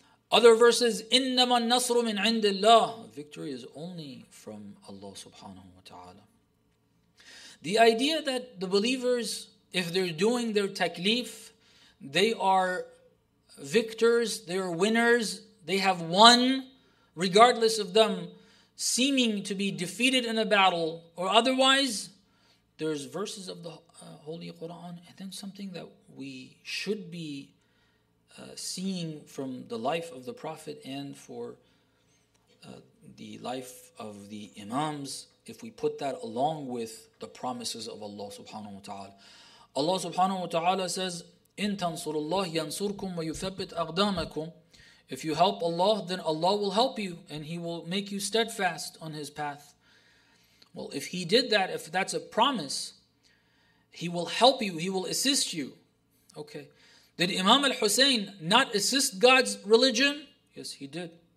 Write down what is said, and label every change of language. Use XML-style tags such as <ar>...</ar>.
<en>Other verses,</en> <ar>إِنَّمَا النَّصْرُ مِنْ عِنْدِ اللَّهِ.</ar> <en>Victory is only from Allah subhanahu wa ta'ala. The idea that the believers, if they're doing their taklif, they are victors, they are winners, they have won, regardless of them seeming to be defeated in a battle or otherwise, there's verses of the Holy Quran, and then something that we should be seeing from the life of the Prophet and for the life of the Imams, if we put that along with the promises of Allah subhanahu wa ta'ala.</en> <ar>Allah subhanahu wa ta'ala says, إِن تَنْصُرُ اللَّهِ يَنْصُرْكُمْ وَيُثَبِّتْ أَقْدَامَكُمْ.</ar> <en>If you help Allah, then Allah will help you and He will make you steadfast on His path. Well, if He did that, if that's a promise, He will help you, He will assist you. Okay. Did Imam al-Husayn not assist God's religion? Yes, he did.</en>